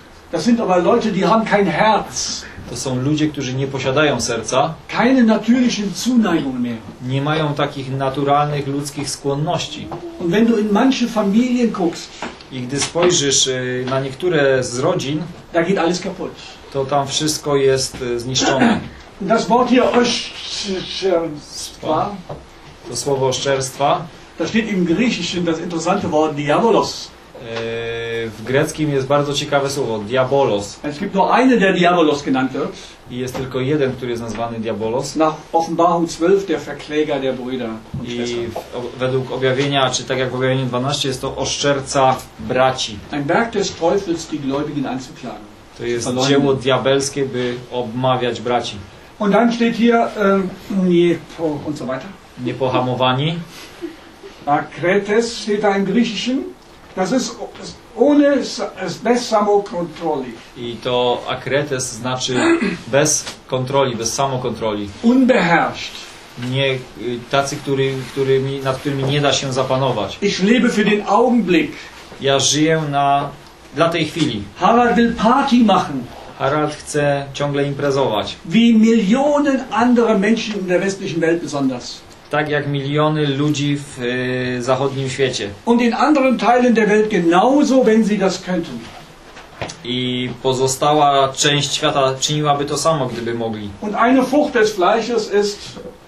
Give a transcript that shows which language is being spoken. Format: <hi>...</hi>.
<de>Das sind aber Leute, die haben kein Herz.</de> <pl>To są ludzie, którzy nie posiadają serca.</pl> <de>Keine natürlichen Zuneigungen mehr.</de> <pl>Nie mają takich naturalnych ludzkich skłonności.</pl> <de>Und wenn du in manche Familien guckst,</de> <pl>i gdy spojrzysz na niektóre z rodzin,</pl> <de>da geht alles kaputt.</de> <pl>To tam wszystko jest zniszczone.</pl> <de>Das Wort hier oszczerstwa.</de> <pl>To słowo oszczerstwa.</pl> <de>Da steht im Griechischen das interessante Wort Diabolos.</de> <pl>W greckim jest bardzo ciekawe słowo, diabolos.</pl> <de>Es gibt nur eine, der diabolos genannt wird.</de> <pl>I jest tylko jeden, który jest nazwany diabolos.</pl> <de>Nach Offenbarung 12, der Verkläger der Brüder.</de> <pl>I według objawienia, czy tak jak w objawieniu 12, jest to oszczerca braci.</pl> <de>Ein Werk des Teufels, die Gläubigen anzuklagen.</de> <pl>To jest dzieło diabelskie, by obmawiać braci.</pl> <de>Und dann steht hier,</de> <pl>nie po,</pl> <de>und so weiter.</de> <pl>Niepohamowani.</pl> <de>Akretes steht da im Griechischen. Das ist ohne,</de> <pl>bez samokontroli. I to akretes znaczy bez kontroli, bez samokontroli.</pl> <de>Unbeherrscht.</de> <pl>Nie, tacy, nad którymi nie da się zapanować.</pl> <de>Ich lebe für den Augenblick.</de> <pl>Ja żyję dla tej chwili.</pl> <de>Harald will Party machen.</de> <pl>Harald chce ciągle imprezować.</pl> <de>Wie Millionen anderer Menschen in der westlichen Welt besonders.</de> <pl>Tak jak miliony ludzi w zachodnim świecie.</pl> <de>Und in anderen Teilen der Welt genauso, wenn sie das könnten.</de> <pl>I pozostała część świata czyniłaby to samo, gdyby mogli.</pl> <de>Und eine Frucht des Fleisches ist.</de>